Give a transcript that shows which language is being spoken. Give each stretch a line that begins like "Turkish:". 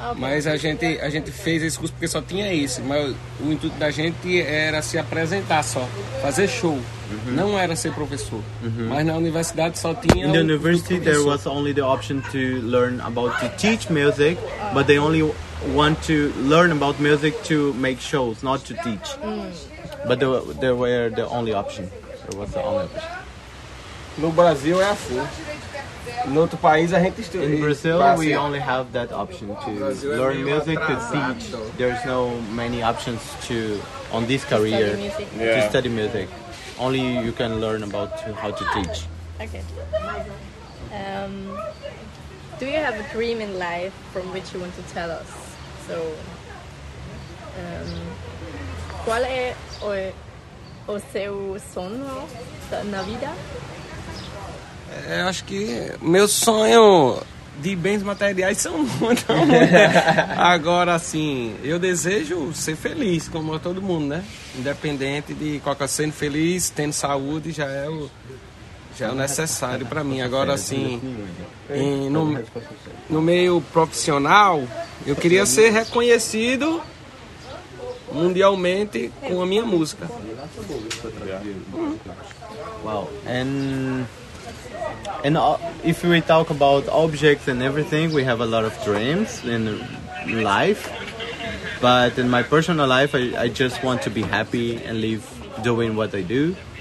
Portuguese: Mas a gente fez esse curso porque só tinha isso. Mas o intuito da gente era se apresentar só, fazer show. Mm-hmm. Não era ser professor. Mm-hmm. Mas na universidade só tinha
English: in the university there was only the option to learn about to teach music, but they only want to learn about music to make shows, not to teach. Mm. But there were the only option. There was the only option.
Portuguese: No Brasil é assim. No outro país a gente estuda.
English: In Brazil we only have that option to learn music to teach. There's no many options to on this career to study music. Only you can learn about how to teach. Okay. Do you have a dream in life from which you want to tell us?
Portuguese: So, qual é o seu sonho na vida? Eu acho que meu sonho de bens materiais são muito. Agora, assim, eu desejo ser feliz, como todo mundo, né? Independente de qualquer sendo feliz, tendo saúde, já é o necessário para mim. Agora, assim, no meio profissional, eu queria ser reconhecido mundialmente com a minha música.
English: Uau, And if we talk about objects and everything, we have a lot of dreams in life. But in my personal life, I just want to be happy and live doing what I do.